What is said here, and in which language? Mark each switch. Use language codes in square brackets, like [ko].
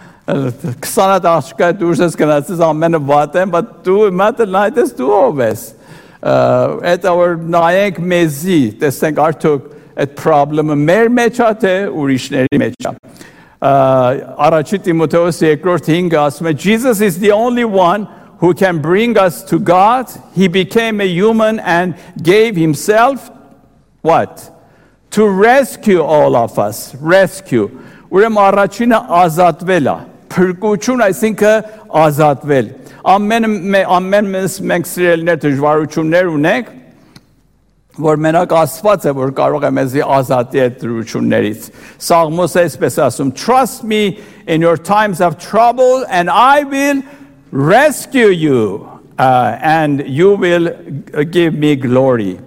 [hy] 20-ատ աշկա դուրս ես գնացիս, ամենը վատ եմ, բա դու մատը նայտես, դու ով ես։ Այդ որ նայենք մեզի, տեսնենք արդյոք այդ պրոբլեմը մեր մեջ ա, թե ուրիշների մեջ ա։ Առաջին Տիմոթեոս 2:5 ասում է, [en] Jesus is the only one who can bring us to God. He became a human and gave himself, what? To rescue all of us. Rescue. [hy] Ուրեմն առաջինը ազատվել ա, փրկություն, այսինքն ազատվել։ Ամեն մենք սիրելներ դժվարություններ ունենք, որ մենակ Աստված է, որ կարող է մեզի ազատի այդ դժվարություններից։ Սաղմոս այսպես ասում, [en] Trust me in your times of trouble and I will rescue you and you will give me glory.